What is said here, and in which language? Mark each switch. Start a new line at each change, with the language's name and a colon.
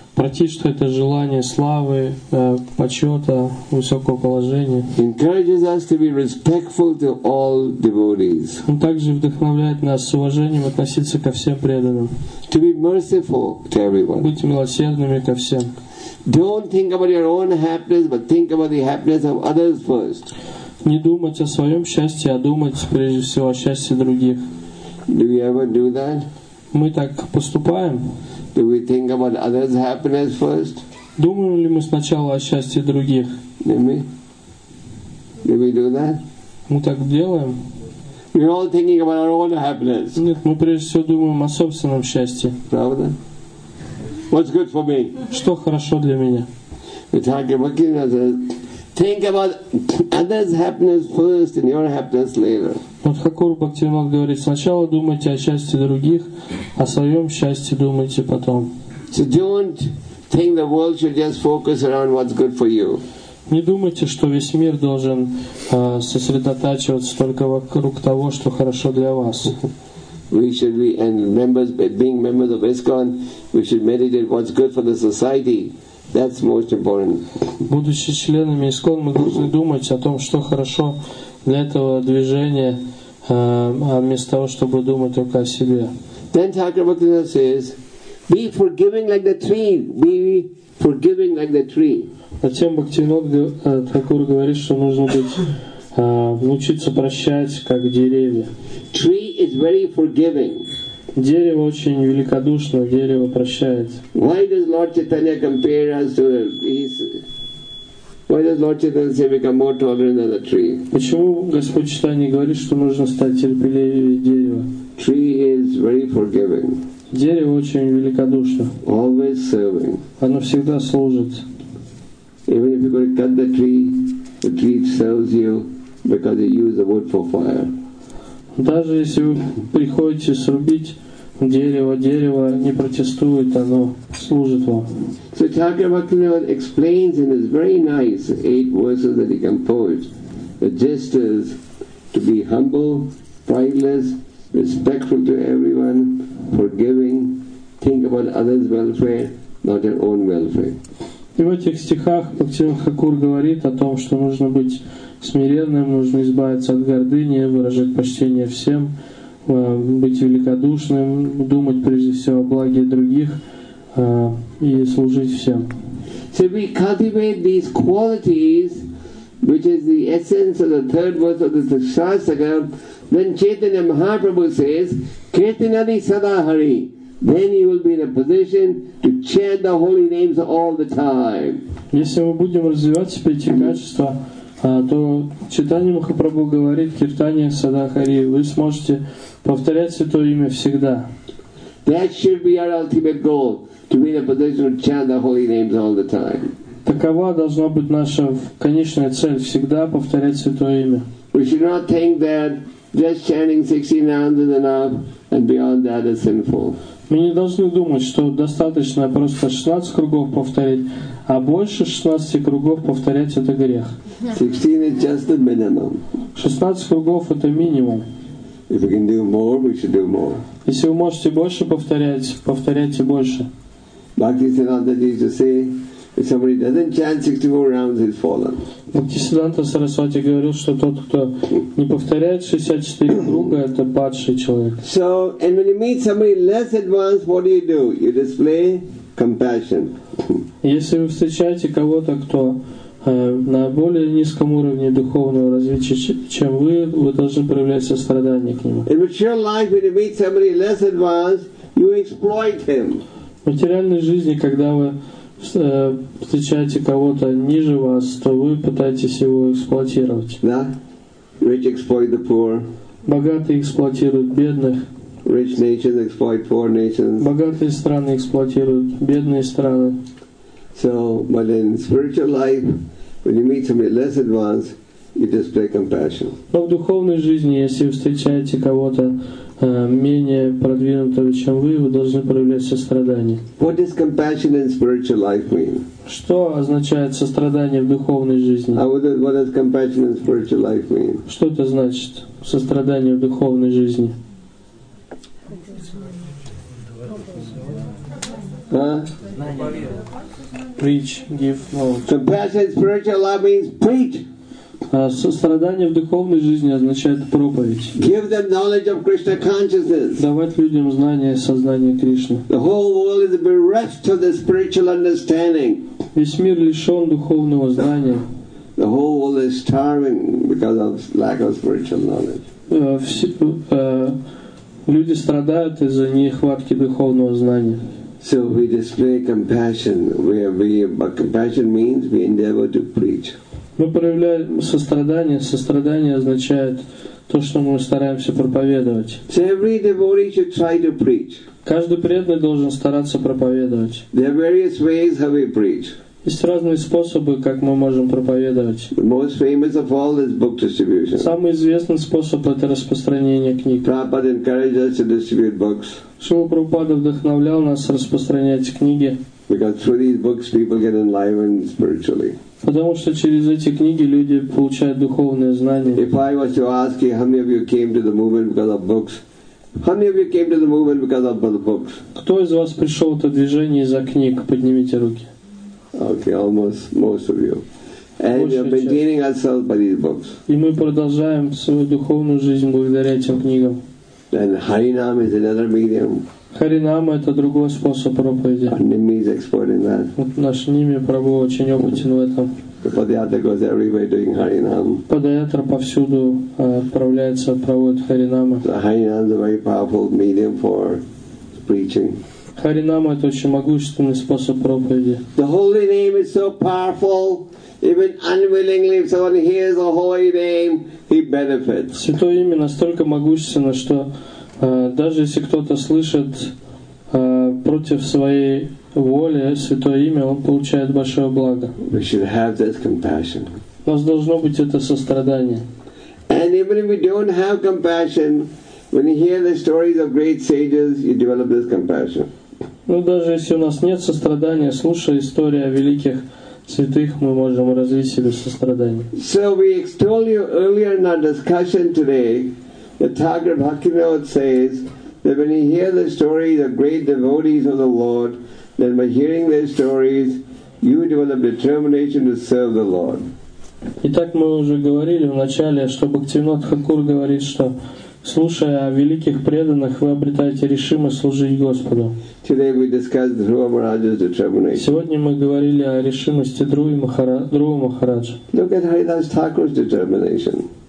Russian: Пратишта — это желание славы, почета, высокого положения.
English: Encourages us to be respectful to all devotees.
Russian: Он также вдохновляет нас с уважением относиться ко всем преданным.
English: To be merciful to everyone.
Russian: Быть милосердными ко всем.
English: Don't think about your own happiness, but think about the happiness of others first.
Russian: Не думать о своем счастье, а думать прежде всего о счастье других.
English: Do we ever do that?
Russian: Мы так поступаем?
English: Do we think about others' happiness first?
Russian: Думаем ли мы сначала о счастье других?
English: Do we do that?
Russian: Мы так делаем.
English: We're all thinking about our own happiness.
Russian: Нет, мы прежде всего думаем о собственном счастье. Правда?
English: What's good for me?
Russian: Что хорошо для меня?
English: Thakur Bhaktivinoda says, think about others' happiness first and your happiness later.
Russian: Вот Хакур Бхактивинод говорит, сначала думайте о счастье других, о своем счастье думайте потом.
English: So don't think the world should just focus around what's good for you.
Russian: Не думайте, что весь мир должен сосредотачиваться только вокруг того, что хорошо для вас.
English: We should be, and members, being members of ISKCON, we should meditate what's good for the society. That's most important.
Russian: Будучи членами ИСКОН, мы должны думать о том, что хорошо для этого движения, вместо того, чтобы думать только о себе.
English: Then Thakur Bhaktivinoda says, be forgiving like the tree. Be forgiving like the tree.
Russian: Затем Бхактивинода Такур говорит, что нужно быть, учиться прощать, как деревья.
English: Tree is very forgiving.
Russian: Дерево очень великодушно, дерево прощает.
English: Why does Lord Chaitanya compare us to the trees? Why does Lord Chaitanya say become more tolerant than the tree?
Russian: Почему Господь Читания говорит, что нужно стать терпеливее дерева?
English: Tree is very forgiving.
Russian: Дерево очень великодушно.
English: Always serving.
Russian: Оно всегда служит.
English: Even if you go cut the tree serves you because you use the wood for fire.
Russian: Даже если вы приходите срубить дерево, дерево не протестует, оно служит вам.
English: So Thakur Bhaktivinoda explains in his very nice 8 verses that he composed the gestures to be humble, prideless, respectful to everyone, forgiving, think about others' welfare, not your own welfare.
Russian: И в этих стихах Бхактивинода Хакур говорит о том, что нужно быть смиренным, нужно избавиться от гордыни, выражать почтение всем, быть великодушным, думать прежде всего о благе других и служить всем.
English: So we cultivate these qualities, which is the essence of the third verse of the Shastaka, then Chaitanya Mahaprabhu says, Kirtanadi Sadahari. Then you will be in a position to chant the holy names all the time.
Russian: Если мы будем развивать себе эти качества, то читание Махапрабху говорит, киртания садахари, вы сможете повторять святое имя всегда.
English: That should be our ultimate goal, to be in a position to chant the holy names all the time.
Russian: Такова должна быть наша конечная цель, всегда повторять святое имя.
English: We should not think that just chanting 16 rounds is enough and beyond that is sinful.
Russian: Мы не должны думать, что достаточно просто 16 кругов повторить, а больше 16 кругов повторять — это грех.
English: 16 is just the minimum.
Russian: 16 кругов — это минимум.
English: If we can do more, we should do more.
Russian: Если вы можете больше повторять, повторяйте больше.
English: Bhaktisiddhanta used to say, if somebody doesn't chant 64 rounds, he's fallen.
Russian: Bhaktisiddhanta Sarasvati говорил, что тот, кто не повторяет 64 круга, это падший человек.
English: So, and when you meet somebody less advanced, what do? You display compassion.
Russian: Если вы встречаете кого-то, кто на более низком уровне духовного развития, чем вы должны проявлять сострадание к нему.
English: In mature life, when you meet somebody less advanced, you exploit him.
Russian: В материальной жизни, когда вы встречаете кого-то ниже вас, то вы пытаетесь его эксплуатировать. Да?
English: Rich exploit the poor.
Russian: Богатые эксплуатируют бедных.
English: Rich nations exploit poor nations.
Russian: Богатые страны эксплуатируют бедные страны.
English: So, but in spiritual life, when you meet somebody less advanced, you display compassion.
Russian: Но в духовной жизни, если вы встречаете кого-то менее продвинутого, чем вы должны проявлять сострадание.
English: What does compassion in spiritual life mean?
Russian: Что означает сострадание в духовной жизни?
English: What does compassion in spiritual life mean?
Russian: Что это значит сострадание в духовной жизни? А?
English: Preach, give knowledge. Compassion in spiritual life means preach.
Russian: Сострадание в духовной жизни означает проповедь.
English: Give them knowledge of Krishna consciousness.
Russian: Давать людям знание сознания Кришны.
English: The whole world is bereft of the spiritual understanding.
Russian: Весь мир лишен духовного знания.
English: The whole world is starving because of lack of spiritual knowledge.
Russian: Люди страдают из-за нехватки духовного знания.
English: So we display compassion. Compassion means we endeavor to preach.
Russian: Мы проявляем сострадание. Сострадание означает то, что мы стараемся проповедовать.
English: So every devotee should try to preach.
Russian: Каждый преданный должен стараться проповедовать.
English: There are various ways how we preach.
Russian: Есть разные способы, как мы можем проповедовать.
English: Most famous of all is book distribution.
Russian: Самый известный способ – это распространение книг.
English: Prabhupada encouraged us to distribute books.
Russian: Шрила Прабхупада вдохновлял нас распространять книги.
English: Because through these books people get enlivened spiritually.
Russian: Потому что через эти книги люди получают духовные знания.
English: If I was to ask you, how many of you came to the movement because of books? How many of you came to the movement because of the books?
Russian: Кто из вас пришел в это движение из-за книг? Поднимите руки.
English: Okay, almost most of you. And we're maintaining ourselves by these books.
Russian: И мы продолжаем свою духовную жизнь благодаря этим книгам.
English: And Harinam is another medium.
Russian: Харинама — это другой способ проповеди.
English: Ними is exploiting that.
Russian: Вот наш Ними Прабху очень опытен в этом.
English: Падаятра goes everywhere doing Харинам.
Russian: Падаятра повсюду отправляется, проводит Харинама.
English: So Харинам is a very powerful medium for preaching.
Russian: Харинама — это очень могущественный способ проповеди.
English: The holy name is so powerful. Even unwillingly, if someone hears a holy name, he benefits.
Russian: Святое имя настолько могущественно, что даже если кто-то слышит против своей воли святое имя, он получает большое благо.
English: We should have this compassion.
Russian: У нас должно быть это сострадание.
English: And even if we don't have compassion, when you hear the stories of great sages, you develop this compassion.
Russian: Ну даже если у нас нет сострадания, слушая истории о великих святых, мы можем развить себе сострадание.
English: So we told you earlier in our discussion today. The Thakur Bhaktivinoda says that when you hear the stories of great devotees of the Lord, then by hearing their stories, you develop determination to serve the Lord.
Russian: Итак, мы уже говорили в начале, что Бхактивинод Хакур говорит, что слушая о великих преданных, вы обретаете решимость служить Господу.
English: Today we discussed Dhruva Maharaja's determination.
Russian: Сегодня мы говорили о решимости Друва Махараджа.
English: Look at Haridas Thakur's determination.